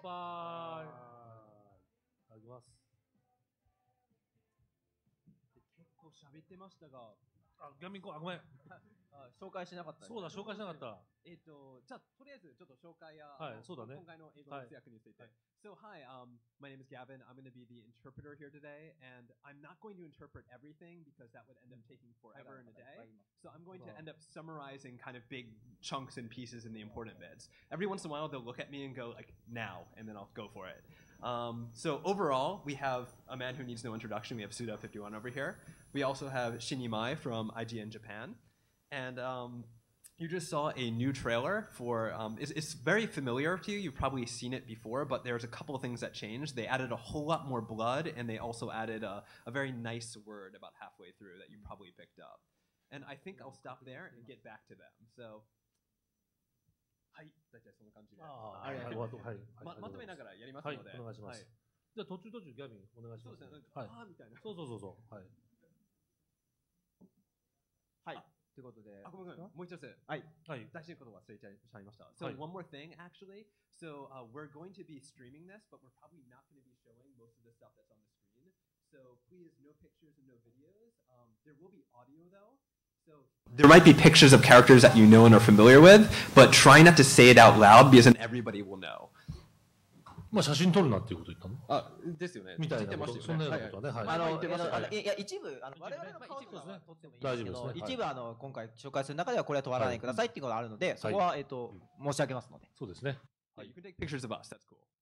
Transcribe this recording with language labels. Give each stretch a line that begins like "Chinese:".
Japanese: 乾杯、いただきます。結構喋ってましたが、あ、ギャミンコ、ごめん。紹介しなかった、ね。そうだ、紹介しなかった。じゃあとりあえずちょっと紹介や、はい、そうだね、今回の英語の通訳について。
English: はい、so hi, my name is Gavin. I'm going to be the interpreter here today, and I'm not going to interpret everything because that would end up taking forever and a day. So I'm going to end up summarizing kind of big chunks and pieces in the important bits. Every once in a while, they'll look at me and go like, "Now," and then I'll go for it. So overall, we have a man who needs no introduction. We have Suda51 over here. We also have Shinya Mai from IGN Japan, and. You just saw a new trailer for, it's very familiar to you, you've probably seen it before, but there's a couple of things that changed. They added a whole lot more blood, and they also added a very nice word about halfway through that you probably picked up. And I think I'll stop there and get back to them. So...
Japanese: はい、大体そんな感じで。ああ、ありがとうございます。まとめながらやりますので。はい、お願いします。じゃあ途中、ギャビン、お願いします。そうですね、なんか、ああみたいな。そう、はい。はい。ということで、あ、ごめんなさい、もう一つ、はい、はい、大事なことを忘れちゃいました。
English: So、はい、one more thing actually. So、we're going to be streaming this, but we're probably not going to be showing most of the stuff that's on the screen. So please, no pictures and no videos. There will be audio though. So there might be pictures of characters that you know and are familiar with, but try not to say it out loud because then everybody will know.
Japanese: まあ写真撮るなっていうこと言ったの？あ、ですよね。みたいなこと、そんなようなことはね、はい、はい。あの、はい、言ってました。いや、一部、あの我々の顔とかは撮ってもいいですけど、大丈夫ですね、はい、一部あの今回紹介する中ではこれは撮らないくださいっていうことがあるので、はい、そこは、申し上げますので。そうですね。
English: はい。You can take pictures of us. That's cool.